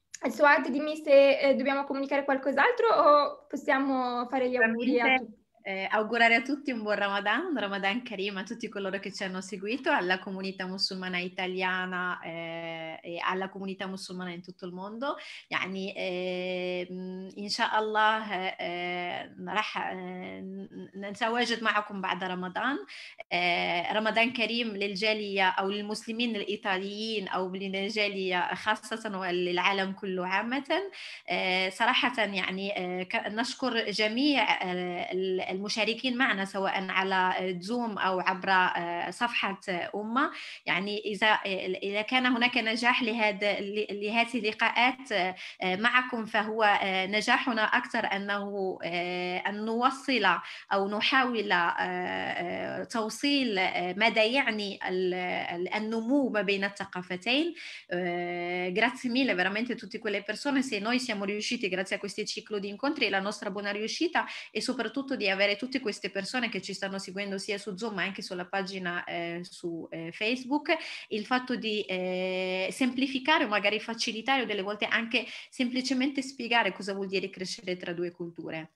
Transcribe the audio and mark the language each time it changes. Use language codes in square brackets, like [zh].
[it] Suad, dimmi se dobbiamo comunicare qualcos'altro o possiamo fare gli auguri a tutti. Augurare a tutti un buon Ramadan, un Ramadan Karim, a tutti coloro che ci hanno seguito, alla comunità musulmana italiana e alla comunità musulmana in tutto il mondo. [ar] Yani, inshallah, نتواجد معكم بعد رمضان. رمضان كريم للجالية أو للمسلمين الإيطاليين أو للجالية خاصة وللعالم كله عامة. صراحة يعني نشكر جميع المشاركين معنا سواء على زوم أو عبر صفحة أمة. يعني إذا كان هناك نجاح لهذه اللقاءات معكم، فهو نجاحنا أكثر أنه أن نوصل أو نحاول توصيل مدى يعني النمو ما بين الثقافتين. [it] Grazie mille veramente a tutte quelle persone. Se noi siamo riusciti grazie a questo ciclo di incontri, la nostra buona riuscita e soprattutto di avere tutte queste persone che ci stanno seguendo sia su Zoom ma anche sulla pagina su Facebook, il fatto di semplificare o magari facilitare o delle volte anche semplicemente spiegare cosa vuol dire crescere tra due culture.